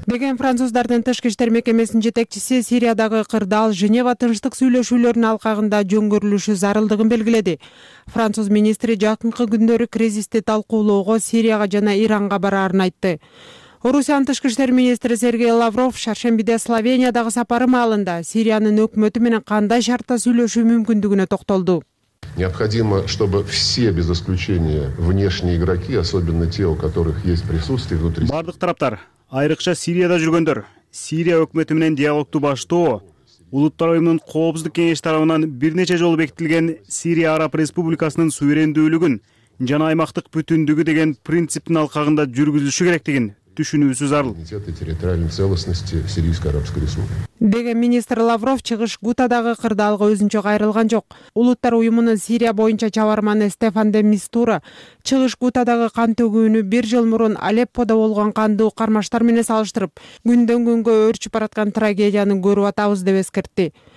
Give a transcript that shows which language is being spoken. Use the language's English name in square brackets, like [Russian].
[Kyrgyz] Деген француздардын тышкы иштер мекемесинин жетекчиси Сириядагы кырдаал Женева тынчтык сүйлөшүүлөрүнүн алкагында жөнгөрүлүшү зарылдыгын белгиледи. Француз министри жакынкы күндөрү кризисти талкуулоого Сирияга жана Иранга барарын айтты. Орусиянын тышкы иштер министри Сергей Лавров шаршембиде Словениядагы сапары маалында Сириянын өкмөтү менен кандай шартта сүйлөшүү мүмкүндүгүнө токтолду. [Russian] Необходимо, чтобы все без исключения внешние игроки, особенно те, у которых есть присутствие внутри. [Kyrgyz] Бардык тараптар, айрыкча Сирияда жүргөндөр, Сирия өкмөтү менен диалогту баштоо, Улуттар Уюмунун коопсуздук кеңеши тарабынан бир нече жолу бекитилген Сирия Араб Республикасынын суверендүүлүгүн жана аймактык бүтүндүгү деген принциптин алкагында жүргүзүлүшү керектигин түшүнүүсү зарыл. [Russian] Территориальной целостности Сирийской Арабской Республики. [Kyrgyz] Деген министр Лавров чыгыш Гутадагы кырдаалга өзүнчө кайрылган жок. Улуттар Уюмунун Сирия боюнча чабарманы Стефан де Мистура чыгыш Гутадагы кан төгүүнү бир жыл мурун Алеппода болгон кандуу кармаштар менен салыштырып, күндөн күнгө өрчүп бараткан трагедияны көрүп атабыз деп эскертти.